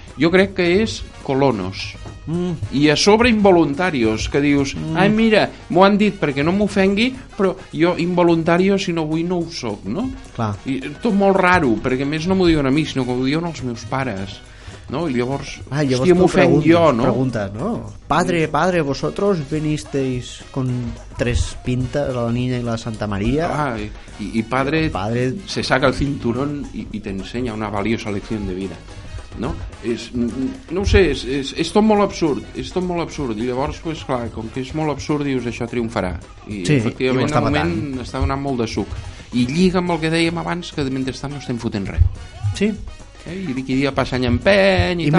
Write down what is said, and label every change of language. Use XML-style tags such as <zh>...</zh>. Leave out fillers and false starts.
<ca>Jo crec que és colonos. I a sobre involuntarios, que dius, ai, mira, m'ho han dit perquè no m'ofengui, però jo involuntario, si no vull, no ho soc, no? Clar. I tot molt raro, perquè més no m'ho diuen a mi, sinó que ho diuen els meus pares, no? I llavors, m'ofenc jo, no? Preguntes, no?</ca> <es>Padre, vosotros vinisteis con tres pintas, la niña y la Santa María. I padre se saca el cinturón y te enseña una valiosa lección de vida.</es> <ca>No? És tot molt absurd, és tot molt absurd. I llavors, pues, clar, com que és molt absurd, dius, això triomfarà. I sí, efectivament, al moment està donant molt de suc. I lliga amb el que dèiem abans, que mentrestant no estem fotent res. Sí. I d'aquí dia passant empeny i tal.</ca>